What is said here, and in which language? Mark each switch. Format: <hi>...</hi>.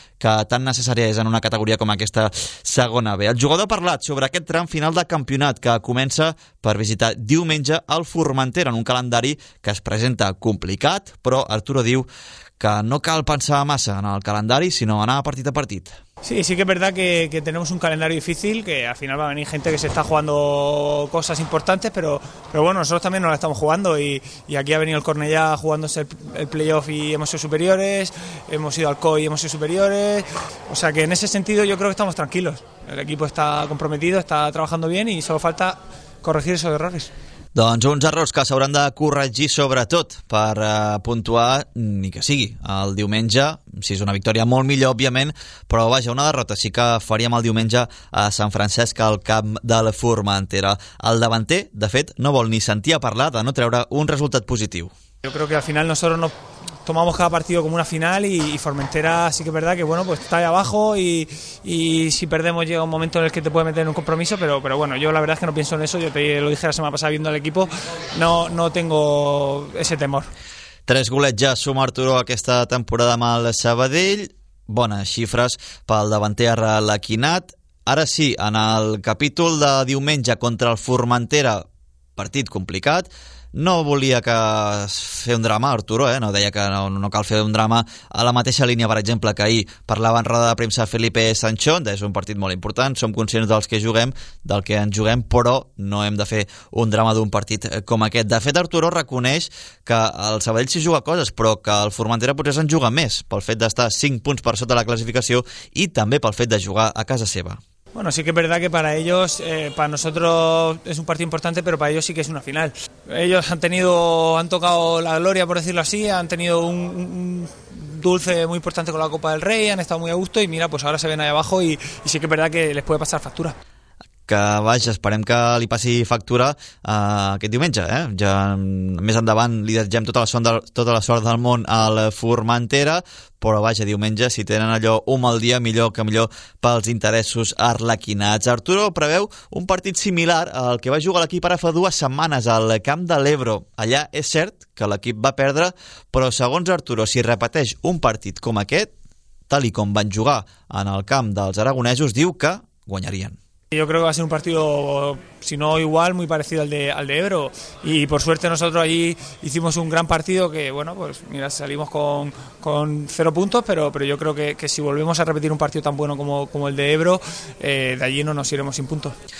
<ca>que tan necessària és en una categoria com aquesta segona B. El jugador ha parlat sobre aquest tram final de campionat que comença per visitar diumenge el Formentera en un calendari que es presenta complicat, però Arturo diu que no cal pensar massa en el calendari, sinó anar partit a partit.</ca> <es>Sí, sí que es verdad que tenemos un calendario difícil, que al final va a venir gente que se está jugando cosas importantes, pero bueno, nosotros también nos la estamos jugando y aquí ha venido el Cornellà jugándose el playoff y hemos sido superiores, hemos ido al COI y hemos sido superiores, o sea que en ese sentido yo creo que estamos tranquilos. El equipo está comprometido, está trabajando bien y solo falta corregir esos errores.</es> <ca>Doncs uns errors que s'hauran de corregir sobretot per puntuar, ni que sigui, el diumenge, si és una victòria molt millor, òbviament, però vaja, una derrota sí que faríem el diumenge a Sant Francesc al camp de la Formentera. El davanter, de fet, no vol ni sentir a parlar de no treure un resultat positiu.</ca> <es>Yo creo que al final nosotros nos tomamos cada partido como una final y Formentera sí que es verdad que bueno, pues está ahí abajo y si perdemos llega un momento en el que te puede meter en un compromiso, pero bueno, yo la verdad es que no pienso en eso, yo te lo dije la semana pasada viendo al equipo, no tengo ese temor.</es> <ca>Tres golets ja suma Arturo aquesta temporada amb el Sabadell, bones xifres pel davanter arlequinat. Ara sí, en el capítol de diumenge contra el Formentera, partit complicat. No volia que fer un drama, Arturo, no deia que no cal fer un drama. A la mateixa línia, per exemple, que ahir parlava en roda de premsa Felipe Sanchón, és un partit molt important, som conscients dels que juguem, del que ens juguem, però no hem de fer un drama d'un partit com aquest. De fet, Arturo reconeix que el Sabadell s'hi juga coses, però que el Formentera potser se'n juga més pel fet d'estar 5 punts per sota la classificació i també pel fet de jugar a casa seva.</ca> <es>Bueno, sí que es verdad que para ellos, para nosotros es un partido importante, pero para ellos sí que es una final. Ellos han tocado la gloria, por decirlo así, han tenido un dulce muy importante con la Copa del Rey, han estado muy a gusto y mira, pues ahora se ven ahí abajo y sí que es verdad que les puede pasar factura.</es> <ca>Que vaja, esperem que li passi factura aquest diumenge. Ja més endavant li desitgem tota la sort del món al Formentera, però vaja, diumenge, si tenen allò un mal dia, millor que millor pels interessos arlequinats. Arturo preveu un partit similar al que va jugar l'equip ara fa dues setmanes al Camp de l'Ebro. Allà és cert que l'equip va perdre, però segons Arturo, si repeteix un partit com aquest, tal i com van jugar en el camp dels aragonesos, diu que guanyarien.</ca> <es>Yo creo que va a ser un partido, si no igual, muy parecido al de Ebro. Y por suerte nosotros allí hicimos un gran partido que, bueno, pues mira, salimos con cero puntos, pero yo creo que si volvemos a repetir un partido tan bueno como el de Ebro, de allí no nos iremos sin puntos.</es>